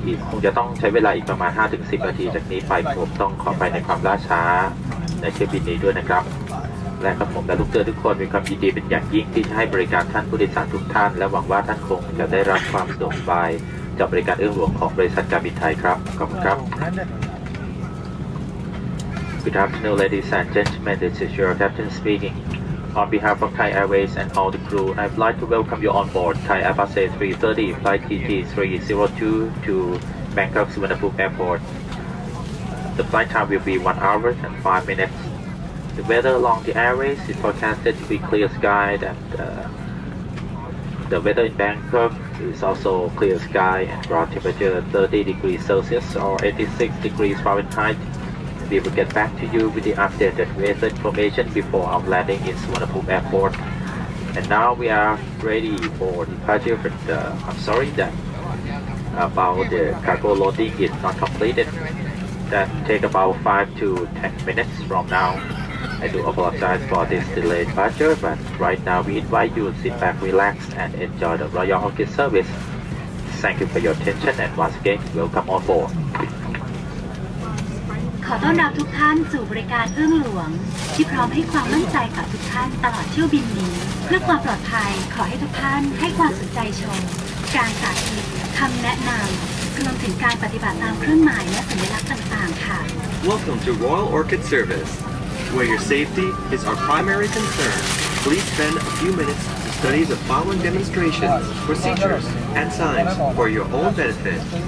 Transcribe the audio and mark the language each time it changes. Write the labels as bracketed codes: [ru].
[th] คงจะต้องใช้เวลาอีกประมาณ 5-10 นาทีจากนี้ไปผมต้องขอไปในความล่าช้าในเที่ยวบินนี้ด้วยนะครับและกับผมและลูกเต๋อทุกคนมีความยินดีเป็นอย่างยิ่งที่จะให้บริการท่านผู้โดยสารทุกท่านและหวังว่าท่านคงจะได้รับความสะดวกสบายจากบริการเอื้องหลวงของบริษัทการบินไทยครับขอบคุณครับ [en] Good afternoon ladies and gentlemen, this is your captain speaking. On behalf of Thai Airways and all the crew, I'd like to welcome you on board Thai Airbus A330 flight TG302 to Bangkok Suvarnabhumi Airport. The flight time will be 1 hour and 5 minutes. The weather along the airways is forecasted to be clear sky and the weather in Bangkok is also clear sky and ground temperature 30 degrees Celsius or 86 degrees Fahrenheit. We will get back to you with the updated weather information before our landing in Suvarnabhumi Airport. And now we are ready for departure, but I'm sorry that about the cargo loading is not completed. That take about 5 to 10 minutes from now. I do apologize for this delayed departure, but right now we invite you to sit back, relax, and enjoy the Royal Orchid service. Thank you for your attention, and once again, welcome on board. [th] ขอต้อนรับทุกท่านสู่บริการเครื่องหลวงที่พร้อมให้ความมั่นใจกับทุกท่านตลอดเที่ยวบินนี้เพื่อความปลอดภัยขอให้ทุกท่านให้ความสนใจชมการสาธิตคำแนะนำรวมถึงการปฏิบัติตามเครื่องหมายและสัญลักษณ์ต่างๆค่ะ [en] Welcome to Royal Orchid Service. Where your safety is our primary concern, please spend a few minutes to study the following demonstrations, procedures, and signs for your own benefit.